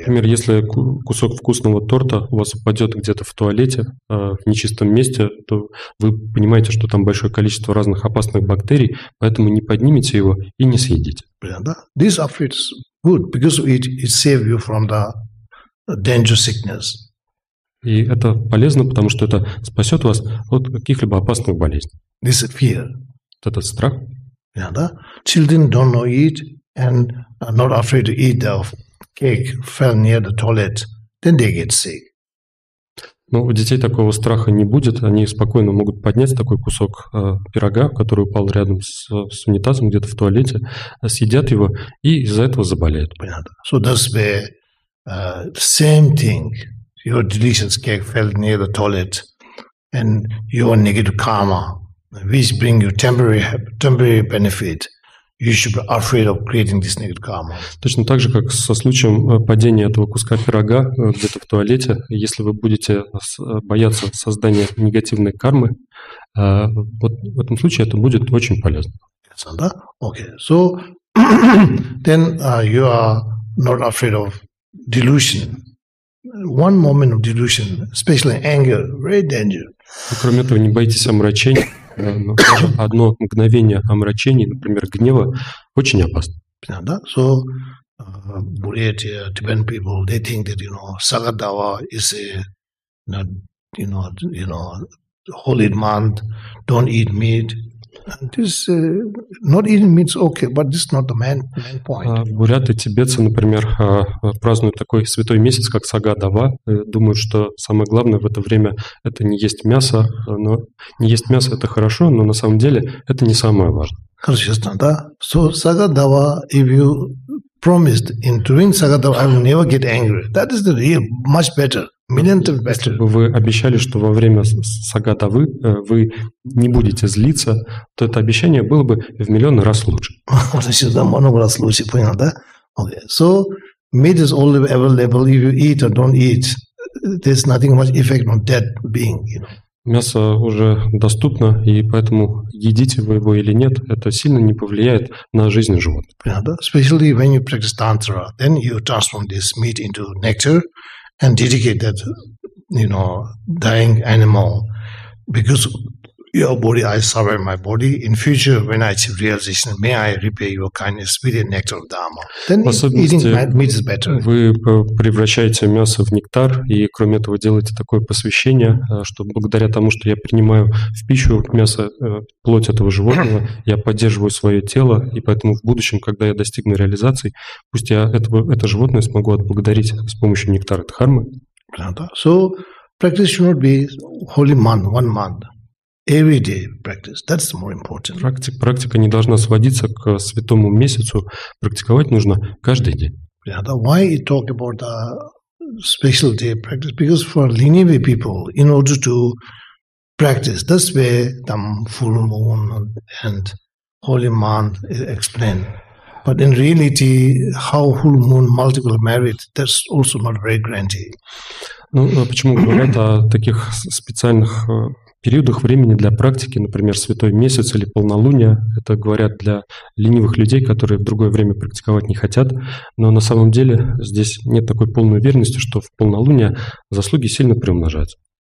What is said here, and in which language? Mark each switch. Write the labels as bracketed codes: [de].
[ru] Например, если кусок вкусного торта у вас упадет где-то в туалете в нечистом месте, то вы понимаете, что там большое количество разных опасных бактерий, поэтому не поднимите его и не съедите. Да. [en] This effort is good because it save you from the danger sickness. [ru] И это полезно, потому что это спасет вас от каких-либо опасных болезней. [en] This is fear. [ru] Этот страх. [en] Yeah, [ru] да? [en] Children don't know eat and not afraid to eat the cake fell near the toilet, then they get sick. [ru] Но у детей такого страха не будет. Они спокойно могут поднять такой кусок пирога, который упал рядом с унитазом где-то в туалете, съедят его и из-за этого заболеют. Понятно. [en] So that's the same thing. Your delicious cake fell near the toilet, and your negative karma, which bring you temporary benefit, you should be afraid of creating this negative karma. [ru] Точно так же, как со случаем падения этого куска пирога где-то в туалете, если вы будете бояться создания негативной кармы, вот в этом случае это будет очень полезно. [en] Yes, [ru] да? [en] Okay. So then you are not afraid of delusion. One moment of delusion, especially anger, very dangerous. [ru] Кроме этого, не бойтесь омрачений. Одно мгновение омрачений, например, гнева, очень опасно. Да? [en] So, Buryatia, Tibetan people, they think that, you know, Sagadawa is a, you know, holy month, don't eat meat. This not eating meat is okay, but this is not the main point. [ru] Буряты, тибетцы, например, празднуют такой святой месяц, как Сагадава, думают, что самое главное в это время это не есть мясо, но не есть мясо это хорошо, но на самом деле это не самое важное. Хорошо, да. [en] So Сагадава, if you promised in doing Сагадава, I will never get angry. That is the real much better. [ru] Если бы вы обещали, что во время Сагадавы вы не будете злиться, то это обещание было бы в миллион раз лучше. Вот еще за много раз лучше, понял, да? [en] Okay. So meat is only available if you eat or don't eat. There's nothing much effect on dead being, you know. [ru] Мясо уже доступно, и поэтому едите вы его или нет, это сильно не повлияет на жизнь животных. [en] Yeah, especially when you practice tantra, then you transform this meat into nectar and dedicate that, you know, dying animal, because your body, I surrender my body. In future, when I achieve realization, may I repay your kindness with the nectar of Dharma. Then eating meat is better. [ru] Вы превращаете мясо в нектар, и кроме этого делаете такое посвящение, что благодаря тому, что я принимаю в пищу мясо, плоть этого животного, я поддерживаю свое тело, и поэтому в будущем, когда я достигну реализации, пусть я это животное смогу отблагодарить с помощью нектара дхармы. [en] So practice should not be holy month, one month. Everyday practice. That's more important. [ru] Практика не должна сводиться к святому месяцу. Практиковать нужно каждый день. [en] Yeah, why you talk about the special day practice? Because for lineage people, in order to practice, that's where the full moon and holy month is explained. But in reality, how full moon multiple merit, that's also not very granted. [ru] Ну, почему говорят о таких специальных периодах времени для практики, например, святой месяц или полнолуние, это говорят для ленивых людей, которые в другое время практиковать не хотят, но на самом деле здесь нет такой полной уверенности, что в полнолуние заслуги сильно приумножаются.